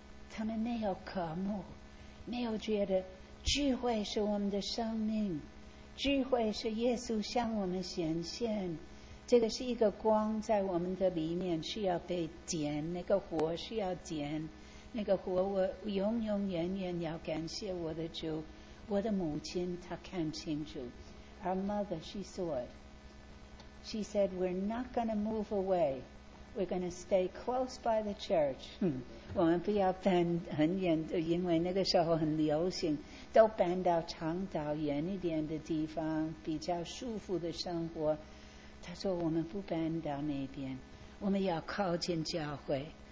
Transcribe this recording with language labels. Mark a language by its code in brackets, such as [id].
[zh] 他们没有渴慕，没有觉得聚会是我们的生命，聚会是耶稣向我们显现，这个是一个光在我们的里面，需要被点，那个火需要点，那个火我永永远远要感谢我的主。我的母亲她看清楚， [en] Our mother she saw it， She said we're not going to move away， We're going to stay close by the church。 [zh] 我们不要搬很远，因为那个时候很流行都搬到长岛远一点的地方，比较舒服的生活。他说我们不搬到那边，我们要靠近教会。